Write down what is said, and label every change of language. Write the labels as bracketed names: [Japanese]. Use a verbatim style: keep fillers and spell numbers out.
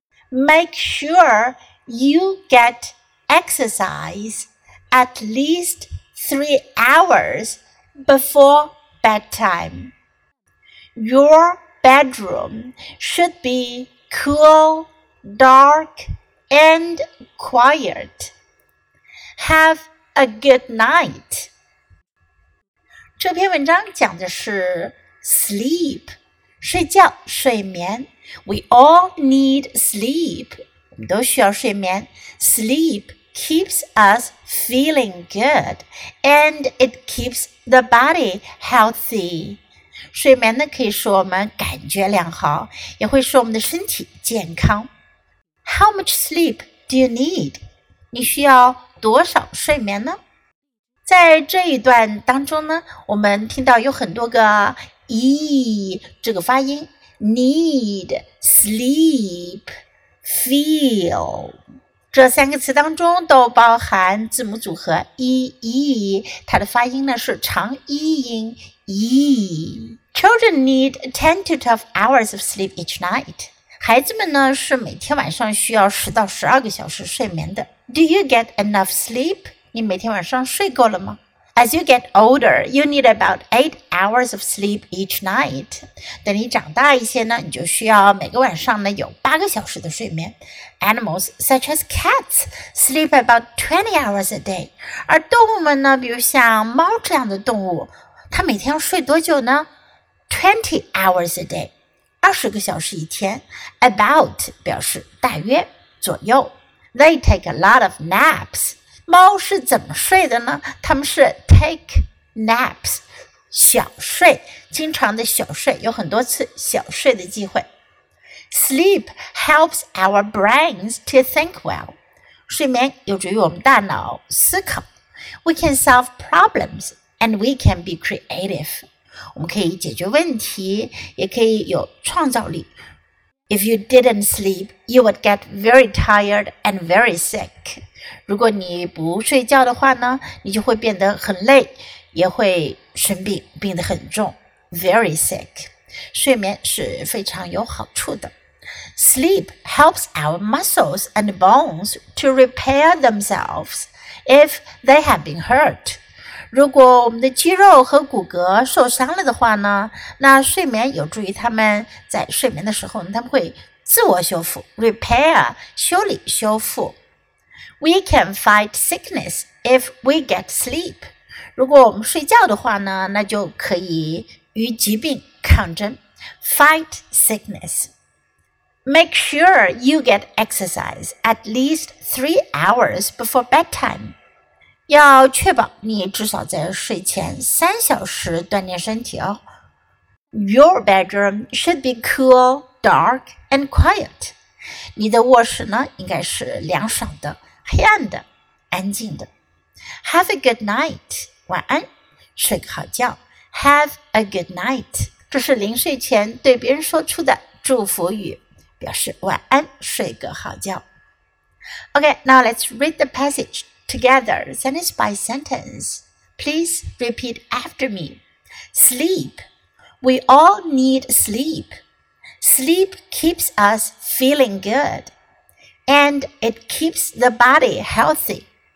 [English] Make sure you get exercise at least three hours before bedtime. Your bedroom should be cool, dark, and quiet. Have a good night. [Chinese] 这篇文章讲的是 sleep， 睡觉、睡眠。 [English] We all need sleep. [Chinese] 我们都需要睡眠。 [English] Sleep keeps us feeling good, and it keeps the body healthy. [Chinese] 睡眠呢，可以使我们感觉良好，也会使我们的身体健康。 [English] How much sleep do you need? [Chinese] 你需要多少睡眠呢？在这一段当中呢，我们听到有很多个 e 这个发音 ，need、sleep、feel 这三个词当中都包含字母组合 e e， 它的发音呢是长 e 音。 [English] E. Children need ten to twelve hours of sleep each night. [Chinese] 孩子们呢是每天晚上需要ten到twelve个小时睡眠的。 [English] Do you get enough sleep? [Chinese] 你每天晚上睡够了吗？ [English] As you get older, you need about eight hours of sleep each night. [Chinese] 等你长大一些呢，你就需要每个晚上呢有eight个小时的睡眠。 [English] Animals such as cats sleep about twenty hours a day. [Chinese] 而动物们呢，比如像猫这样的动物，他每天要睡多久呢？ [English] twenty hours a day， twenty [Chinese] 个小时一天。 About 表示大约左右。 [English] They take a lot of naps。 [Chinese] 猫是怎么睡的呢？他们是 [English] take naps， [Chinese] 小睡，经常的小睡，有很多次小睡的机会。 [English] Sleep helps our brains to think well。 [Chinese] 睡眠有助于我们大脑思考。 [English] We can solve problems. And we can be creative. [Chinese] 我们可以解决问题，也可以有创造力。 [English] If you didn't sleep, you would get very tired and very sick. [Chinese] 如果你不睡觉的话呢，你就会变得很累，也会生病，病得很重。 [English] Very sick. [Chinese] 睡眠是非常有好处的。 [English] Sleep helps our muscles and bones to repair themselves if they have been hurt. [Chinese] 如果我们的肌肉和骨骼受伤了的话呢，那睡眠有助于他们在睡眠的时候，他们会自我修复 repair 修理修复。 [English] We can fight sickness if we get sleep. [Chinese] 如果我们睡觉的话呢，那就可以与疾病抗争 [English] fight sickness. Make sure you get exercise at least three hours before bedtime. [Chinese] 要确保你至少在睡前三小时锻炼身体哦。 [English] Your bedroom should be cool, dark and quiet. [Chinese] 你的卧室呢，应该是凉爽的、黑暗的、安静的。 [English] Have a good night. [Chinese] 晚安，睡个好觉。 [English] Have a good night. [Chinese] 这是临睡前对别人说出的祝福语，表示晚安，睡个好觉。 [English] Okay, now let's read the passage together, sentence by sentence. Please repeat after me. Sleep. We all need sleep. Sleep keeps us feeling good, and it keeps the body healthy.